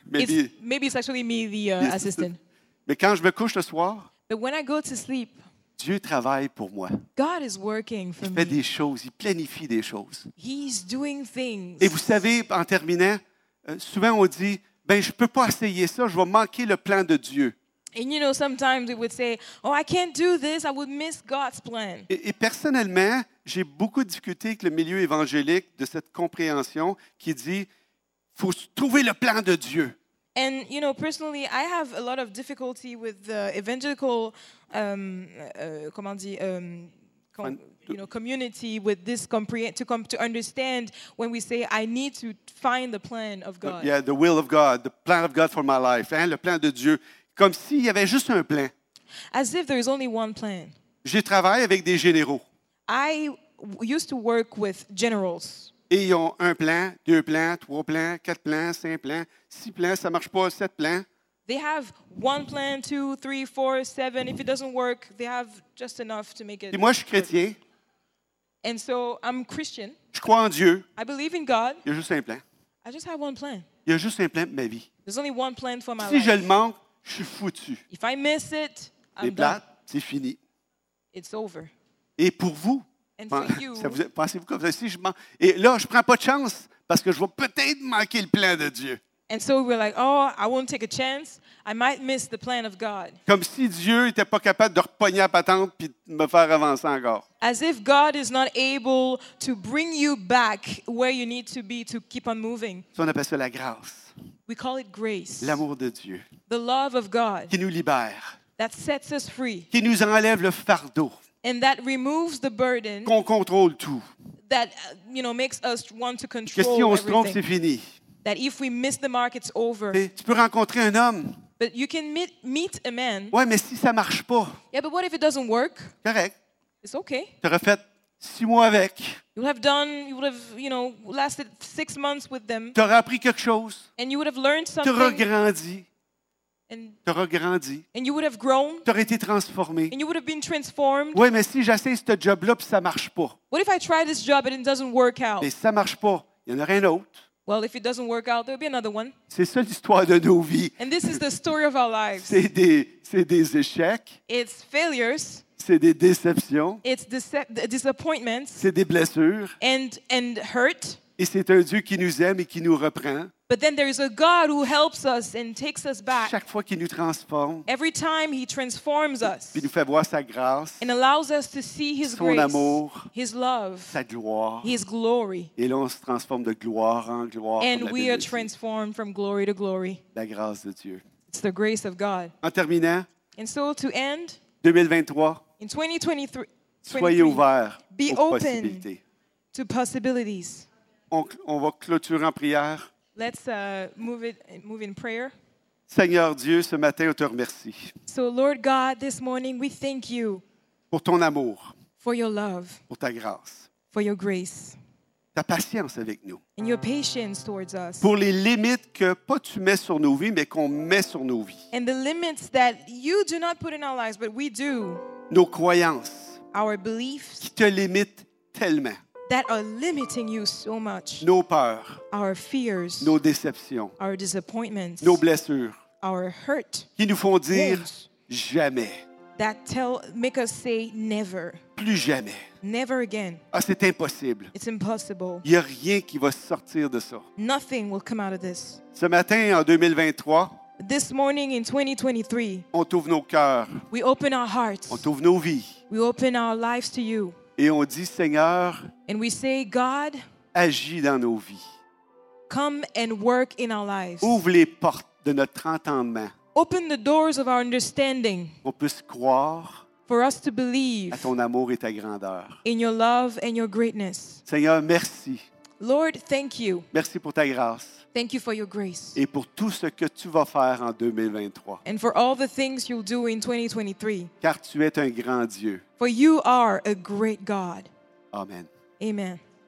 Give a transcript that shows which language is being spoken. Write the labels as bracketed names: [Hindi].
[English] Maybe it's actually me, the assistant. [French] Mais quand je me couche le soir, [English] but when I go to sleep, [French] Dieu travaille pour moi. [English] God is working for me. [French] Il fait des choses. Il planifie des choses. [English] He's doing things. [French] Et vous savez, en terminant, souvent on dit, ben je peux pas essayer ça. Je vais manquer le plan de Dieu. [English] And you know, sometimes we would say, oh, I can't do this. I would miss God's plan. [French] Et personnellement, j'ai beaucoup discuté avec le milieu évangélique de cette compréhension qui dit, il faut trouver le plan de Dieu. [English] And you know, personally, I have a lot of difficulty with the evangelical, community with this to understand when we say I need to find the plan of God. Yeah, the will of God, the plan of God for my life, [French] hein, le plan de Dieu. Comme s'il y avait juste un plan. [English] As if there is only one plan. [French] J'ai travaillé avec des généraux. [English] I used to work with generals. [French] et ils ont un plan, deux plans, trois plans, quatre plans, cinq plans, six plans, ça ne marche pas, sept plans. [English] They have one plan, two, three, four, seven. If it doesn't work, they have just enough to make it. [French] Et moi, je suis chrétien. [English] And so I'm Christian. [French] Je crois en Dieu. [English] I believe in God. [French] Il y a juste un plan. [English] I just have one plan. [French] Il y a juste un plan pour ma vie. [English] There's only one plan for my [French] si [English] life. [French] Si je le manque, je suis foutu. [English] If I miss it, I'm [French] plate, c'est fini. [English] It's over. [French] Et pour vous, [English] and for you, [French] ça vous est, pensez-vous que si je manque, et là, je prends pas de chance parce que je vais peut-être manquer le plan de Dieu. [English] And so we're like, oh, I won't take a chance. I might miss the plan of God. [French] Comme si Dieu était pas capable de repogner la patente puis de me faire avancer encore. [English] As if God is not able to bring you back where you need to be to keep on moving. [French] Ça, on appelle ça la grâce. [English] We call it grace. [French] L'amour de Dieu. [English] The love of God. [French] Qui nous libère. [English] That sets us free. [French] Qui nous enlève le fardeau. [English] And that removes the burden. [French] Qu'on contrôle tout. [English] That, you know, makes us want to control [French] Que si on se trompe, c'est fini. [English] That if we miss the mark, it's over. [French] Mais tu peux rencontrer un homme. [English] But you can meet a man. [French] Ouais, mais si ça marche pas. [English] Yeah, but what if it doesn't work? Correct. It's okay. [French] Tu aurais fait six mois avec. [English] You would have done, you would have, you know, lasted 6 months with them. [French] Tu aurais appris quelque chose. [English] And you would have learned something. [French] Tu aurais grandi. [English] And [French] tu aurais grandi. [English] And you would have grown. [French] Tu aurais été transformé. [English] And you would have been transformed. [French] Ouais, mais si j'essaie ce job-là puis ça marche pas. [English] What if I try this job and it doesn't work out? [French] Mais ça marche pas. Il y en aurait un autre. [English] Well, if it doesn't work out, there'll be another one. [French] C'est ça l'histoire de nos vies. [English] And this is the story of our lives. [French] C'est des échecs. [English] It's failures. [French] C'est des déceptions. [English] It's disappointments. [French] C'est des blessures. [English] And hurt. [French] Et c'est un Dieu qui nous aime et qui nous reprend. [English] But then there is a God who helps us and takes us back. [French] Chaque fois qu'il nous transforme. [English] Every time he transforms us. [French] Il nous fait voir sa grâce. [English] And allows us to see his [French] son [English] grace. [French] Son amour. [English] His love. [French] Sa gloire. [English] His glory. [French] Et là, on se transforme de gloire en gloire. [English] And we are transformed from glory to glory. [French] La grâce de Dieu. [English] It's the grace of God. [French] En terminant. [English] And so to end. 2023. In 2023. [French] Soyez ouverts aux possibilités. [English] To possibilities. [French] On va clôturer en prière. [English] Let's move in prayer. [French] Seigneur Dieu, ce matin, on te remercie. [English] So Lord God, this morning we thank you. [French] Pour ton amour. [English] For your love. [French] Pour ta grâce. [English] For your grace. [French] Ta patience avec nous. [English] And your patience towards us. [French] Pour les limites que pas tu mets sur nos vies, mais qu'on met sur nos vies. [English] And the limits that you do not put in our lives, but we do. [French] Nos croyances. [English] Our beliefs. [French] Qui te limitent tellement. [English] That are limiting you so much. [French] Nos peurs. [English] Our fears. [French] Nos déceptions. [English] Our disappointments. [French] Nos blessures. [English] Our hurt. [French] Qui nous font dire wounds. Jamais. [English] That make us say never. [French] Plus jamais. [English] Never again. [French] Ah, c'est impossible. [English] It's impossible. [French] Il y a rien qui va sortir de ça. [English] Nothing will come out of this. [French] Ce matin en 2023. [English] This morning in 2023. [French] On t'ouvre nos cœurs. [English] We open our hearts. [French] On t'ouvre nos vies. [English] We open our lives to you. [French] Et on dit, Seigneur, [English] and we say, God, [French] agis dans nos vies. [English] Come and work in our lives. [French] Ouvre les portes de notre entendement. [English] Open the doors of our understanding. [French] On puisse croire [English] for us to believe [French] à ton amour et ta grandeur. [English] In your love and your greatness. [French] Seigneur, merci. [English] Lord, thank you. [French] Merci pour ta grâce. [English] Thank you for your grace. [French] Et pour tout ce que tu vas faire en 2023. [English] And for all the things you'll do in 2023. [French] Car tu es un grand Dieu. [English] For you are a great God. [French] Amen. [English] Amen.